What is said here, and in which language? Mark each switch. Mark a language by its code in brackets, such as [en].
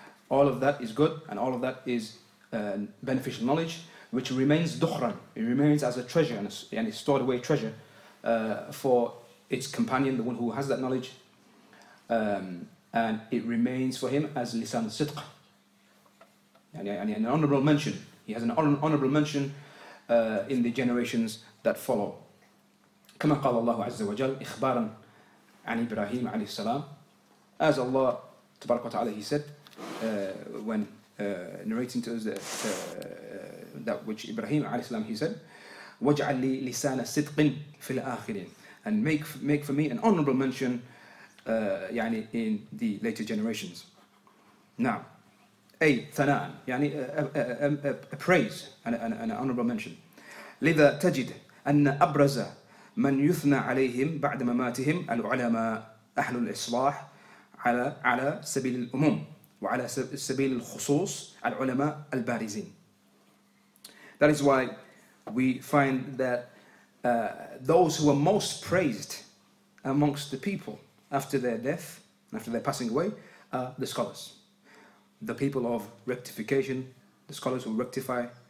[en] All of that is good and all of that is beneficial knowledge, which remains dukhran. It remains as a treasure and a stored away treasure for its companion, the one who has that knowledge. And it remains for him as [ar] lisan sidq. [en] An honorable mention. He has an honorable mention in the generations that follow. [ar] كما قال الله عز وجل إخبارا عن إبراهيم عليه السلام. [en] As Allah [ar] تبارك وتعالى, [en] he said, when narrating to us that which Ibrahim [ar] alayhi salam, [en] he said, [ar] وَجْعَلْ لِي لِسَانَ صِدْقٍ فِي الْآخِرِينَ, [en] and make for me an honorable mention يعني in the later generations. Now, [ar] أي ثَنَاءً, [en] يعني a praise and an honorable mention. [ar] لِذَا تَجِدْ أَنَّ أَبْرَزَ مَنْ يُثْنَى عَلَيْهِمْ بَعْدَ مَمَاتِهِمْ الْعُلَمَاءَ أَحْلُ الْإِصْلَاحِ عَلَى سَبِيلِ الْأُمُومِ وعلى سبيل الخصوص العلماء البارزين. [en] That is why we find that those who are most praised amongst the people after their death, after their passing away, are the scholars, the people of rectification, the scholars who rectify.